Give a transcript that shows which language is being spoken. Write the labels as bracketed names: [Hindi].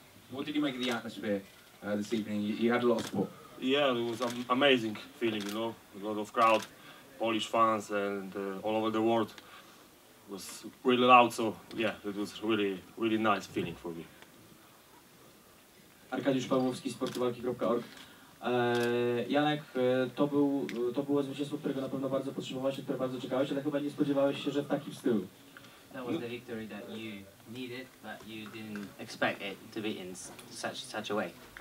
[English] What did you make of the atmosphere this evening? You had a lot of support. Yeah, it was an amazing feeling, you know, a lot of crowd, Polish fans and all over the world. It was really loud, so yeah, it was really, really nice feeling for me. [Polish] Arkadiusz Pawłowski, sportowalki.org. Janek, to było zwycięstwo, którego na pewno bardzo potrzebowałeś, które bardzo czekałeś, ale chyba nie spodziewałeś się, że w takim stylu. [English] That was the victory that you needed, but you didn't expect it to be in such a way.